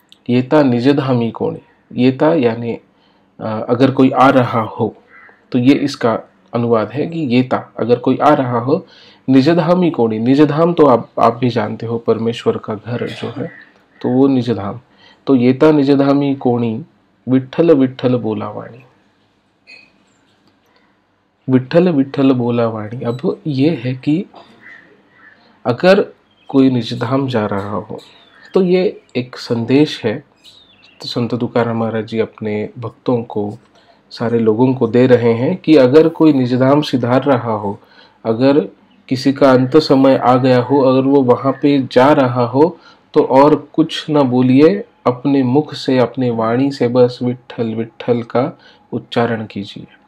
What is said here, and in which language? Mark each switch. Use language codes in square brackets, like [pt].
[mr] येता निजधामी कोणी, [hi] येता यानी अगर कोई आ रहा हो, तो ये इसका अनुवाद है कि येता अगर कोई आ रहा हो। [mr] निजधामी कोणी, [hi] निजधाम तो आप भी जानते हो, परमेश्वर का घर जो है, तो वो निजधाम। [mr] तो येता निजधामी कोणी विठ्ठल विठ्ठल बोला वाणी, विठ्ठल विठ्ठल बोला वाणी। [hi] अब ये है कि अगर कोई निजधाम जा रहा हो, तो ये एक संदेश है तो संत तुकाराम महाराज जी अपने भक्तों को, सारे लोगों को दे रहे हैं कि अगर कोई निजधाम सिधार रहा हो, अगर किसी का अंत समय आ गया हो, अगर वो वहाँ पे जा रहा हो, तो और कुछ ना बोलिए, अपने मुख से, अपने वाणी से बस विठ्ठल विठ्ठल का उच्चारण कीजिए।